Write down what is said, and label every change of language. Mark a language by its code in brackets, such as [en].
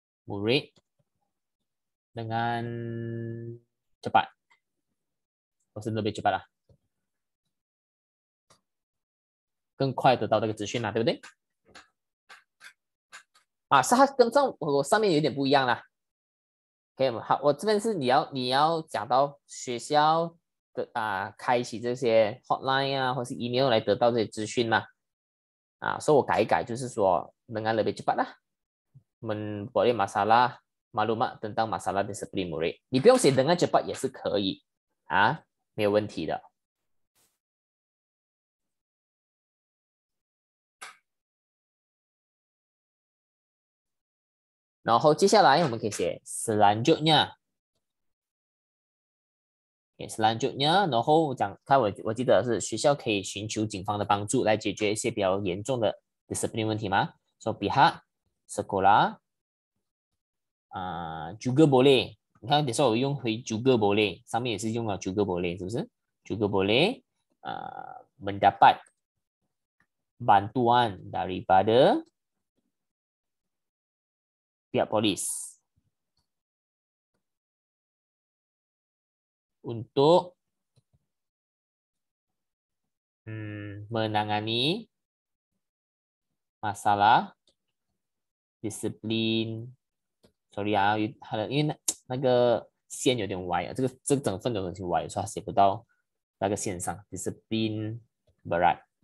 [ms] Murid dengan cepat, maksudnya lebih cepat lah, lebih cepat [zh] 得到这个资讯啦，对不对？啊，是它跟上我上面有点不一样啦。OK，好，我这边是你要讲到学校的啊，开启这些 hotline 啊，或是 email 来得到这些资讯嘛。啊，所以我改一改，就是说， [ms] dengan lebih cepat [zh] 啦。 [ms] Membuat masalah maklumat tentang masalah disiplin murid. [zh] 你不用写 [ms] dengan cepat [zh] 也是可以啊，没有问题的。然后接下来我们可以写 selanjutnya. Okay, selanjutnya, 然后讲，看我记得是学校可以寻求警方的帮助来解决一些比较严重的 disiplin 问题吗？ [ms] So pihak sekolah juga boleh. [zh] 你看，等下我用回 [ms] juga boleh， [zh] 上面也是用了 juga boleh， 是不是？ [ms] juga boleh mendapat bantuan daripada pihak polis untuk menangani masalah disiplin. [zh] Sorry 啊，因为那个线有点歪啊，这个整份都有点歪，所以它写不到那个线上。 [ms] Discipline berat.